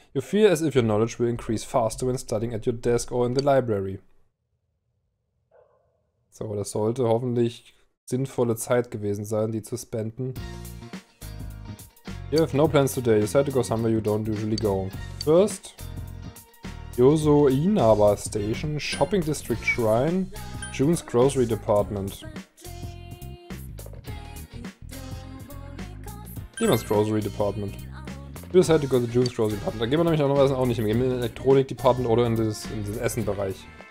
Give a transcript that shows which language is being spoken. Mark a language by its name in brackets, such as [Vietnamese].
[English] You feel as if your knowledge will increase faster when studying at your desk or in the library. [German] So, das sollte hoffentlich sinnvolle Zeit gewesen sein, die zu spenden. [English] You have no plans today. You decide to go somewhere you don't usually go. First, Yozo Inaba Station, Shopping District Shrine, June's Grocery Department. June's Grocery Department. You decide to go to June's Grocery Department. [German] Da gehen wir nämlich normalerweise auch nicht hin. Wir gehen in den Elektronik Department oder in den Essenbereich.